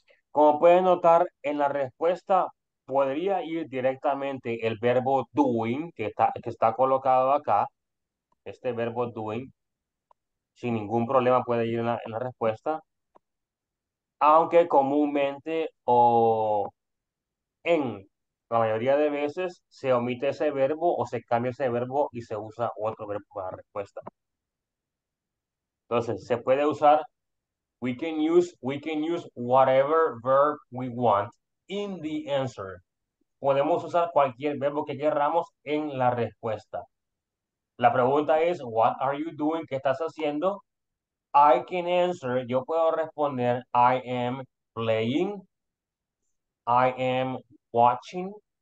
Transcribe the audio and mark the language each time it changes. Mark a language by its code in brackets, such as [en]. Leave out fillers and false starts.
[es] Como pueden notar, en la respuesta podría ir directamente el verbo doing, que está colocado acá, este verbo doing, sin ningún problema puede ir en la respuesta, aunque comúnmente o en la mayoría de veces se omite ese verbo o se cambia ese verbo y se usa otro verbo para la respuesta. Entonces, se puede usar... [en] We can use whatever verb we want in the answer. [es] Podemos usar cualquier verbo que queramos en la respuesta. La pregunta es, [en] what are you doing? [es] ¿Qué estás haciendo? [en] I can answer. [es] Yo puedo responder, [en] I am playing. I am watching.